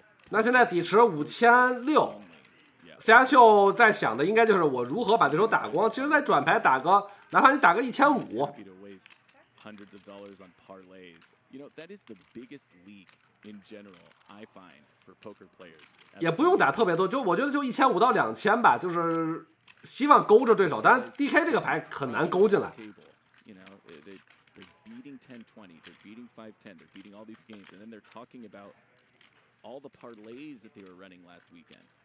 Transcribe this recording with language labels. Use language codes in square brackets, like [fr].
[zh] 那现在底池5600 ，CHQ 在想的应该就是我如何把对手打光。其实，在转牌打个，哪怕你打个1500。 [en] Hundreds of dollars on parlays. You know that is the biggest leak in general. I find for poker players. [zh] 也不用打特别多，就我觉得就1500到2000吧，就是希望勾着对手。但 DK 这个牌很难勾进来。 [en] You know they're beating 10-20, they're beating 5-10, they're beating all these games, and then they're talking about all the parlays that they were running last weekend.